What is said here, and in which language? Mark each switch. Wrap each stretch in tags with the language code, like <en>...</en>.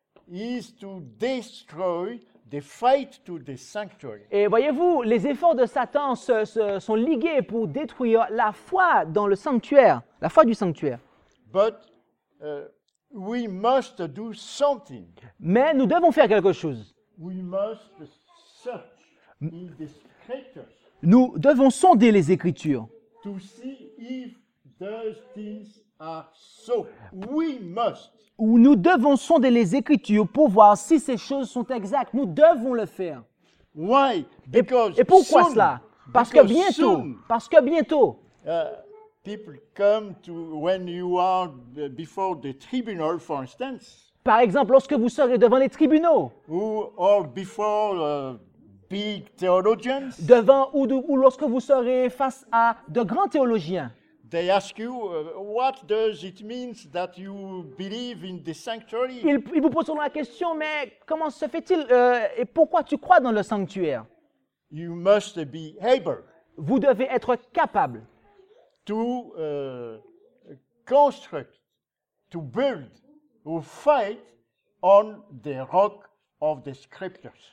<en>is to destroy the fight to the sanctuary.</en> <fr>Et voyez-vous, les efforts de Satan sont ligués pour détruire la foi dans le sanctuaire, la foi du sanctuaire.</fr> <en>But we must do something.</en> <fr>Mais nous devons faire quelque chose.</fr> <en>We must search in the scriptures.</en> <fr>Nous devons sonder les Écritures.</fr> <en>To see if those things are so. We must.</en> <fr>Où nous devons sonder les Écritures pour voir si ces choses sont exactes. Nous devons le faire.</fr> <en>Why? Because</en> <fr>et pourquoi</fr> <en>soon,</en> <fr>cela? Parce que bientôt.</fr> <en>Soon,</en> <fr>parce que bientôt.</fr> <en>People come to when you are before the tribunal, for instance.</en> <fr>Par exemple, lorsque vous serez devant les tribunaux.</fr> <en>Or before big theologians.</en> <fr>Devant ou lorsque vous serez face à de grands théologiens.</fr> <en>They ask you, what does it mean that you believe in the sanctuary?</en> <fr>Ils vous poseront la question, mais comment se fait-il et pourquoi tu crois dans le sanctuaire?</fr> <en>You must be able.</en> <fr>Vous devez être capable.</fr> <en>To construct, to build, to fight on the rock of the scriptures.</en>